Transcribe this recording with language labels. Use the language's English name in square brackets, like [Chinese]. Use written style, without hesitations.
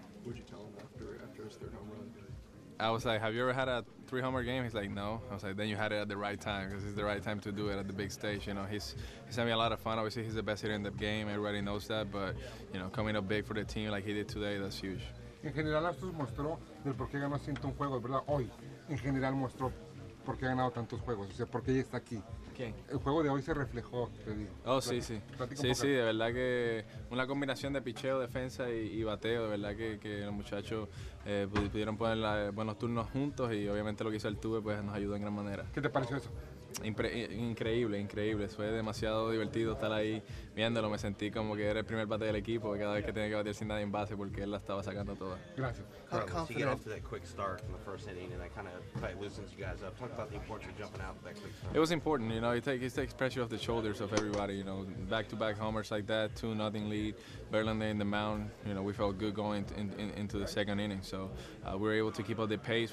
[English] What'd you tell him after his third home run? I was like, have you ever had a three-homer game? He's like, no. I was like, then you had it at the right time, because it's the right time to do it at the big stage. You know, he's having a lot of fun. Obviously, he's the best hitter in the game. Everybody knows that. But, you know, coming up big for the team like he did today, that's huge. [Spanish] En general, Astros mostró del por qué ganó 101 juegos, ¿verdad? Hoy, en general, mostró por qué ha ganado tantos juegos. O sea, por qué está aquí. ¿Quién? El juego de hoy se reflejó, te digo. Oh, sí, sí. Sí, sí, de verdad que una combinación de picheo, defensa y bateo, de verdad que los muchachos pudieron poner buenos turnos juntos y obviamente lo que hizo el Tuve pues nos ayudó en gran manera. ¿Qué te pareció eso? Increíble. Fue demasiado divertido estar ahí viéndolo. Me sentí como que era el primer bate del equipo cada vez que tenía que batear sin nadie en base porque él la estaba sacando toda. Gracias. [English] You get off to that quick start in the first inning and that kind of quite loosens you guys up. Talk about the importance of jumping out that quick start. It was important, you know. It takes pressure off the shoulders of everybody, you know. Back-to-back homers like that, 2-0 lead, Verlander in the mound. You know, we felt good going into the second inning. So we were able to keep up the pace.